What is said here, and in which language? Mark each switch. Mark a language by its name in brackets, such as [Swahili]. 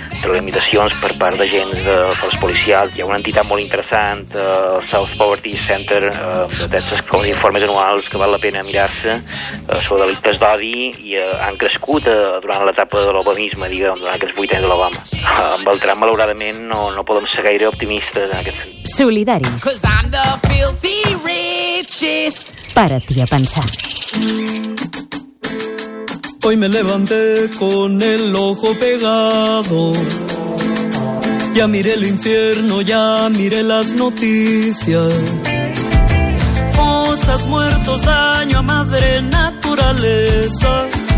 [Catalan] limitacions per part de gent de forces policials. Hi ha una entitat molt interessant, el South Poverty Center, d'aquests informes anuals que val la pena mirar-se sobre delictes d'odi, i han crescut durant l'etapa de l'Obamisme, diguem, durant aquests 8 anys de l'Obama. Amb el Trump, malauradament, no podem ser gaire optimistes en aquest sentit. Solidaris. [English] 'Cause I'm the filthy richest. [Catalan] Para-t'hi a pensar. [Spanish] Hoy me levanté con el ojo pegado. Ya miré el infierno, ya miré las noticias. Fosas, muertos, daño a madre naturaleza.